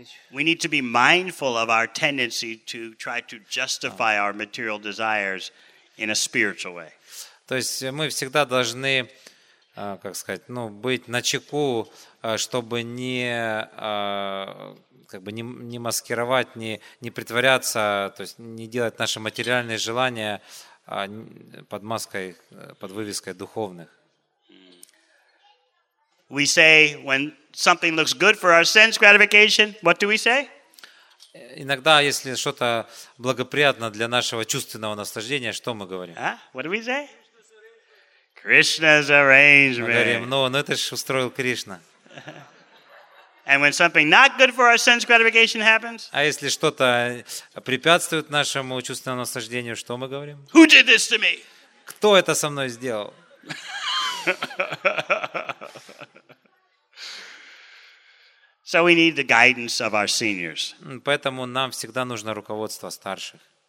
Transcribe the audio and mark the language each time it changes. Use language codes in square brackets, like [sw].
[en] we need to be mindful of our tendency to try to justify our material desires in a spiritual way. [ru] То есть мы всегда должны, как сказать, ну, быть начеку, чтобы не, как бы не маскировать, не притворяться, то есть не делать наши материальные желания под маской, под вывеской духовных. [en] We say when something looks good for our sense gratification, what do we say? [ru] Иногда, если что-то благоприятно для нашего чувственного наслаждения, что мы говорим? [en] А? What do we say? Krishna's arrangement. [ru] Говорим, ну это ж устроил Кришна. [en] And when something not good for our sense gratification happens? [ru] А если что-то препятствует нашему чувственному наслаждению, что мы говорим? [en] Who did this to me? [ru] Кто это со мной сделал? [en] So we need the guidance of our seniors. [ru] Поэтому нам всегда нужно руководство старших.